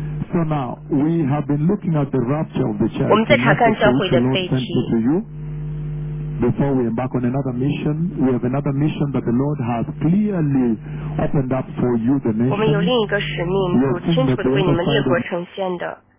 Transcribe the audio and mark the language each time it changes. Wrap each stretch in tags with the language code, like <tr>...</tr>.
<en>So now we have been looking at the rapture of the church.</en> <zh>我们在查看教会的背景。</zh> <en>Before we embark on another mission, we have another mission that the Lord has clearly opened up for you, the nation.</en> <zh>我们有另一个使命，主清楚地为你们列国呈现的。</zh>